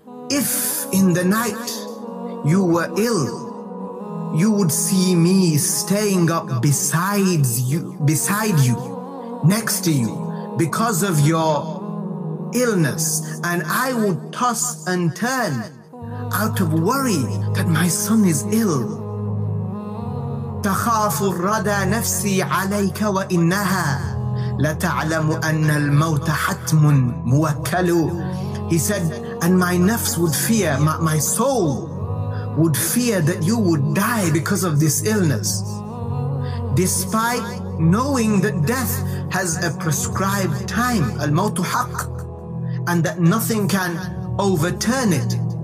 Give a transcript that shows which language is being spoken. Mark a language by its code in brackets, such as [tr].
[en] If in the night you were ill, you would see me staying up beside you, next to you, because of your illness, and I would toss and turn out of worry that my son is ill. [ar] تخاف الردى نفسي عليك وإنها لتعلم أن الموت حتم موكل. [en] He said, and my nafs would fear, my soul would fear that you would die because of this illness, despite knowing that death has a prescribed time, [ar] al-mawtu haqq, [en] and that nothing can overturn it.